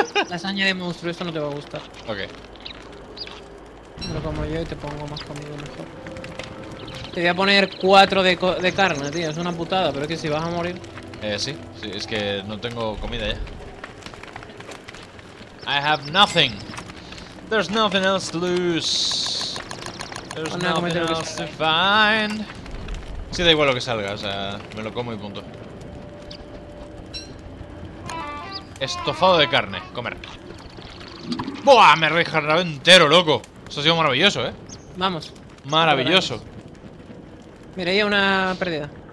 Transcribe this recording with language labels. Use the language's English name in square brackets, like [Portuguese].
[Spanish] Lasaña de monstruo, esto no te va a gustar. Ok. Pero como yo y te pongo más comida mejor. Te voy a poner 4 de carne, tío. Es una putada, pero es que si vas a morir... Sí. Sí, es que no tengo comida ya. [English] I have nothing. There's nothing else to lose. There's nothing else to find. [Spanish] Sí, da igual lo que salga, o sea, me lo como y punto. Estofado de carne, comer. ¡Buah! Me rejarraba entero, loco. Eso ha sido maravilloso, ¿eh? Vamos. Maravilloso. Mira, ahí hay una pérdida.